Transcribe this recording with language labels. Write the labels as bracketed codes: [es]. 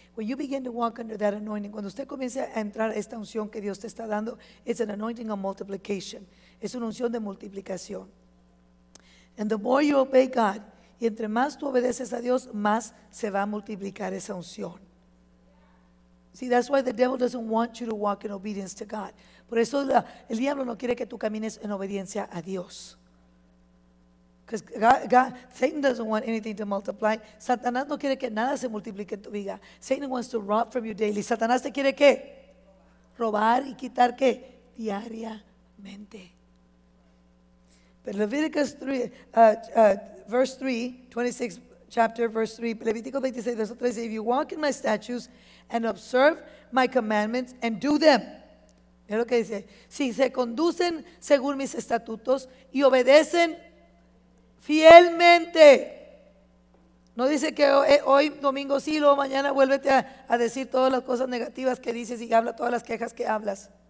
[en] When you begin to walk under that anointing, [es] cuando usted comience a entrar a esta unción que Dios te está dando, [en] it's an anointing of multiplication. [es] Es una unción de multiplicación. [en] And the more you obey God, [es] y entre más tú obedeces a Dios, más se va a multiplicar esa unción. [en] See, that's why the devil doesn't want you to walk in obedience to God. [es] Por eso el diablo no quiere que tú camines en obediencia a Dios. [en] Because Satan doesn't want anything to multiply. [es] Satanás no quiere que nada se multiplique en tu vida. [en] Satan wants to rob from you daily. [es] ¿Satanás te quiere qué? Robar y quitar qué? Diariamente. [en] But Leviticus 3, Levítico 26, verse 3, if you walk in my statutes and observe my commandments and do them. [es] Mira lo que dice. Si se conducen según mis estatutos y obedecen fielmente. No dice que hoy domingo sí, luego mañana vuélvete a decir todas las cosas negativas que dices y habla todas las quejas que hablas.